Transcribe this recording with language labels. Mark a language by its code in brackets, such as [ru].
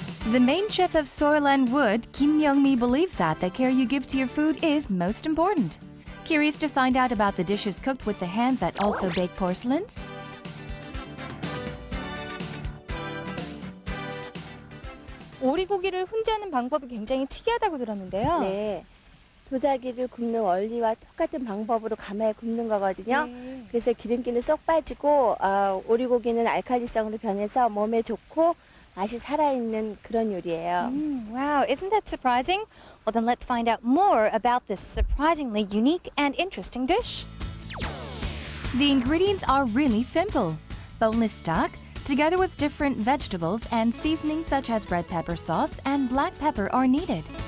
[en] The main chef of Soil and Wood, Kim Myung-mi, believes that the care you give to your food is most important. Curious to find out about the dishes cooked with the hands that also bake porcelains? [ko] Ori고기를 훈제하는 방법이 굉장히 특이하다고 들었는데요. 네. 도자기를 굽는 원리와 똑같은 방법으로 가마에 굽는 거거든요. 그래서 기름기는 쏙 빠지고 오리고기는 알칼리성으로 변해서 몸에 좋고 맛이 살아있는 그런 요리예요. [en] Wow, isn't that surprising? Well, then let's find out more about this surprisingly unique and interesting dish. The ingredients are really simple. Boneless stock, together with different vegetables and seasonings such as red pepper sauce and black pepper are needed.